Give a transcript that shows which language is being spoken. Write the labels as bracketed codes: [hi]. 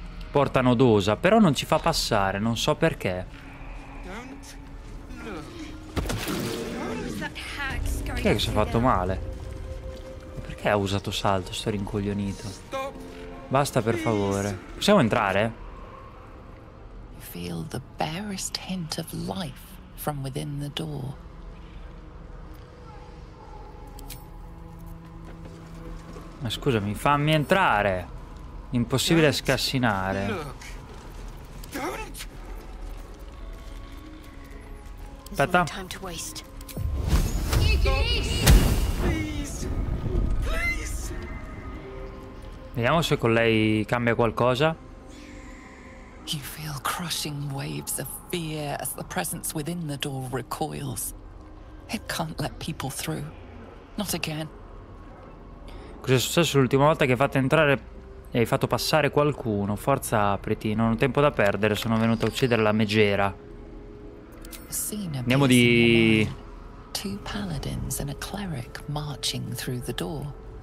[it] Porta nodosa, però non ci fa passare, non so perché. Chi è che si è fatto male? Perché ha usato salto, sto rincoglionito? Basta, per favore. Possiamo entrare? [en] Feel the barest hint of life from within the door. [it] Ma scusami, fammi entrare. Impossibile scassinare. Aspetta. Vediamo se con lei cambia qualcosa. [en] You feel crushing waves of fear as the presence within the door recoils. It can't let people through. Not again. [it] Cos'è successo l'ultima volta che hai fatto entrare e hai fatto passare qualcuno? Forza, apriti, non ho tempo da perdere, sono venuto a uccidere la megera. Andiamo di [en] two paladins and a cleric marching through the door.